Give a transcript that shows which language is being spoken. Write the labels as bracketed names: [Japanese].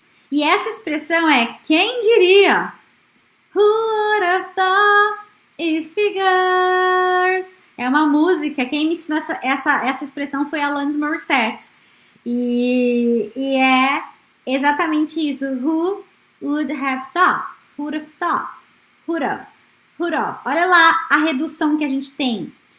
[Portuguese] E essa expressão é quem diria? [English] Who would have thought it figures? [Portuguese] É uma música. Quem me ensinou essa expressão foi Alanis Morissette. E é exatamente isso. [English] Who would have thought? Who would have thought? Who would have? Who would have? [Portuguese] Olha lá a redução que a gente tem.